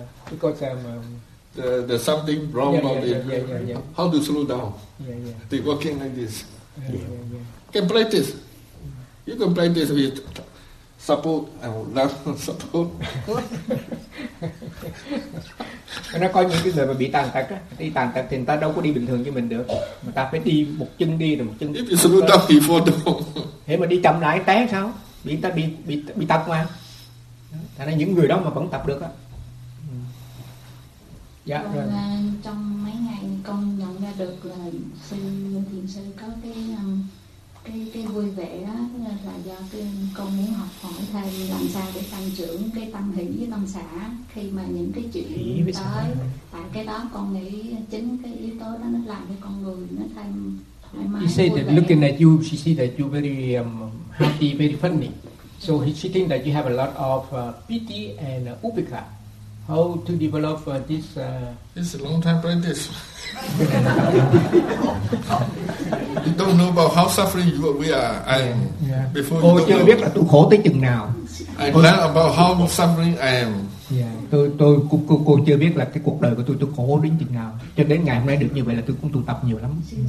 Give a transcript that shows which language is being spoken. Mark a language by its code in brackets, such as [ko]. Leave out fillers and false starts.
[en] Because there's something wrong about it. Yeah. How to slow down? Yeah. They walking like this. Yeah. Can practice. You can practice with support and not support. [vi] Nó có những cái người mà bị tàn tật á, đi tàn tật thì người ta đâu có đi bình thường như mình được, mà ta phải đi một chân đi rồi một chân. [en] If you slow down, he fall down. [vi] Thế mà đi chậm lại té sao? Bị ta bị tật mà. Thế nên những người đó mà vẫn tập được á. Dạ. Còn, rồi. Trong mấy ngày con nhận ra được là sư thiền sư có cái vui vẻ đó là do cái con muốn học hỏi thầy làm sao để tăng trưởng cái tâm hỷ với tâm xả khi mà những cái chuyện tới, tại cái đó con nghĩ chính cái yếu tố đó nó làm cho con người nó thêm thoải mái. [en] She said that looking at you, she see that you very happy, very funny. So she think that you have a lot of pity and upekkha. How to develop this? It's a long time practice. You don't know about how suffering you are. Before [vi] you chưa biết là tôi khổ tới chừng nào. [en] I learn about how suffering I am. [vi] Tôi chưa biết là cái cuộc đời của tôi khổ đến chừng nào. Cho đến ngày hôm nay được như vậy là tôi cũng tu tập nhiều lắm.